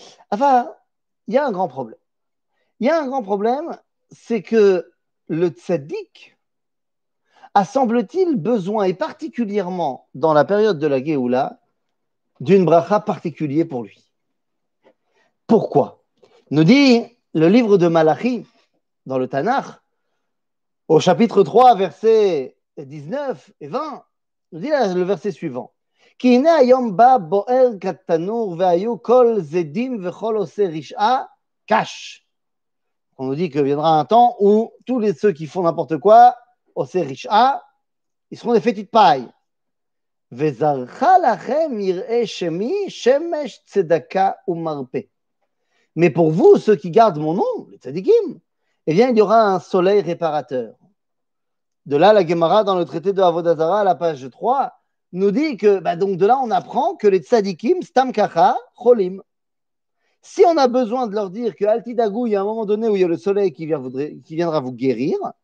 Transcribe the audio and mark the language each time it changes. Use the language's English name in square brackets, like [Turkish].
[French] Enfin, il y a un grand problème. Il y a un grand problème, c'est que le tzaddik a, semble-t-il, besoin, et particulièrement dans la période de la Géoula, d'une bracha particulière pour lui. Pourquoi? Nous dit le livre de Malachi, dans le Tanakh, au chapitre 3, versets 19 et 20, nous dit là, le verset suivant. [Hebrew] כי הנה היום בא בוער כתנור והיו כל זדים וכל עושה רשעה קש. [French] On nous dit que viendra un temps où tous les ceux qui font n'importe quoi, [Hebrew] עושה רשעה, [French] ils seront des petites pailles. [Hebrew] וזרחה לכם יראה שמי שמש צדקה ומרפא. [French] Mais pour vous, ceux qui gardent mon nom, les tzadikim, eh bien, il y aura un soleil réparateur. De là, la Gemara, dans le traité de Avodah Zara, à la page 3, nous dit que, bah donc de là, on apprend que les tzadikim, [Hebrew] stam kacha, cholim. [French] Si on a besoin de leur dire que, altidagou, il y a un moment donné où il y a le soleil qui viendra vous guérir,